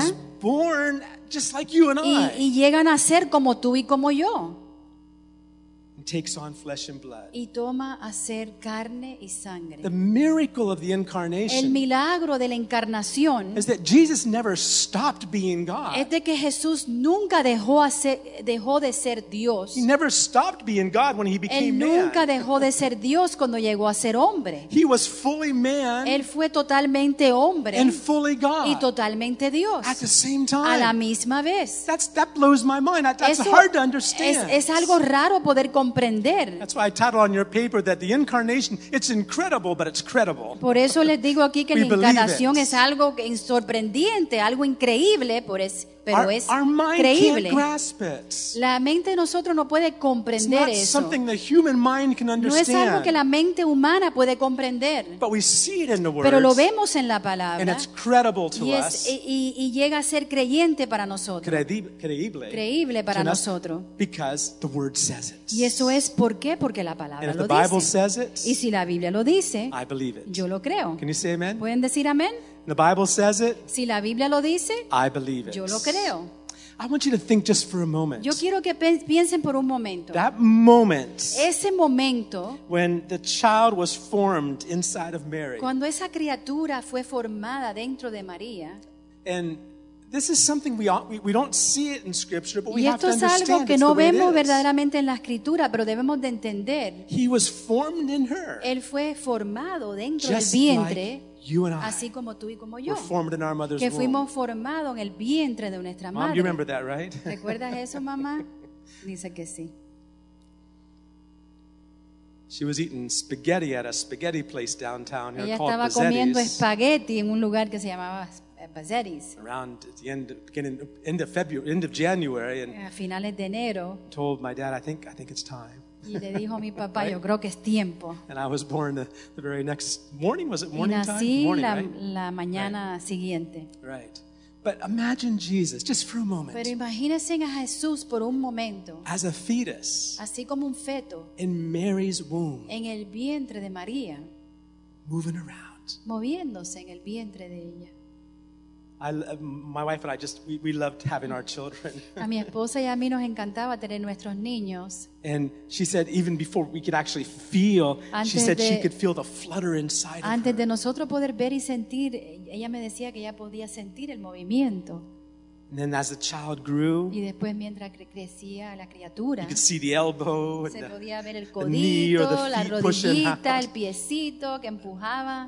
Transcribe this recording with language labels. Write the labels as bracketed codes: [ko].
[en] and is born just like you and I. [es] Y llegan a ser como tú y como yo. [en] Takes on flesh and blood. [es] Y toma a ser carne y sangre. [en] The miracle of the incarnation. [es] El milagro de la encarnación. [en] Is that Jesus never stopped being God. [es] Es de que Jesús nunca dejó de ser Dios. [en] He never stopped being God when he became man. [es] Él nunca dejó de ser Dios cuando llegó a ser hombre. [en] He was fully man. [es] Él fue totalmente hombre. [en] And fully God. [es] Y totalmente Dios. [en] At the same time. [es] A la misma vez. [en] That blows my mind. That's hard to understand. [es] Es algo raro poder comprender. [en] That's why I title on your paper that the incarnation, it's incredible, but it's credible. [es] Por eso les digo aquí que la encarnación es algo sorprendente, algo increíble, pero es pero es creíble. La mente de nosotros no puede comprender eso. No es algo que la mente humana puede comprender. Pero lo vemos en la palabra. [en] And it's credible to us. [es] Y llega a ser creyente para nosotros. Creíble para nosotros. [en] Because the word says it. [es] Y eso es por qué, porque la palabra lo dice. [en] And if the Bible says it, [es] y si la Biblia lo dice, [en] I believe it. [es] Yo lo creo. [en] Can you say amen? [es] ¿Pueden decir amén? [en] The Bible says it. [es] Si la Biblia lo dice, [en] I believe it. [es] Yo lo creo. [en] I want you to think just for a moment. [es] Yo quiero que piensen por un momento. [en] That moment. [es] Ese momento. [en] When the child was formed inside of Mary. [es] Cuando esa criatura fue formada dentro de María. [en] And this is something we don't see it in Scripture, but we have to understand. [es] Y esto es algo que no vemos verdaderamente [en] is. [es] En la Escritura, pero debemos de entender. [en] He was formed in her. [es] Él fue formado dentro [en] just [es] del vientre. [en] Like you and I, [es] así como tú y como yo, [en] were formed in our mother's womb. [es] Que fuimos formados en el vientre de nuestra madre. [en] You remember that, right? [es] ¿Recuerdas eso, mamá? Dice que sí. [en] She was eating spaghetti at a spaghetti place downtown here [es] ella [en] called [es] estaba [en] Bazzetti's. [es] Comiendo espagueti en un lugar que se llamaba Bazzetti's. [en] Around the end of February, end of January, and [es] a finales de enero, [en] told my dad, I think it's time. [es] Y le dijo a mi papá, yo creo que es tiempo. [en] And I was born the very next morning. Was it morning time? [es] Y nací la mañana siguiente. [en] Right. But imagine Jesus, just for a moment. [es] Pero imagínense a Jesús por un momento. [en] As a fetus. [es] Así como un feto. [en] In Mary's womb. [es] En el vientre de María. [en] Moving around. [es] Moviéndose en el vientre de ella. [en] My wife and I we loved having our children. [es] A mi esposa y a mí nos encantaba tener nuestros niños. [en] And she said even before we could actually feel, she could feel the flutter inside of her. [es] Antes de nosotros poder ver y sentir, ella me decía que ella podía sentir el movimiento. [en] And then as the child grew, [es] y después mientras crecía la criatura, [en] you could see the elbow, [es] se podía ver el codito, la rodillita, el piecito que empujaba.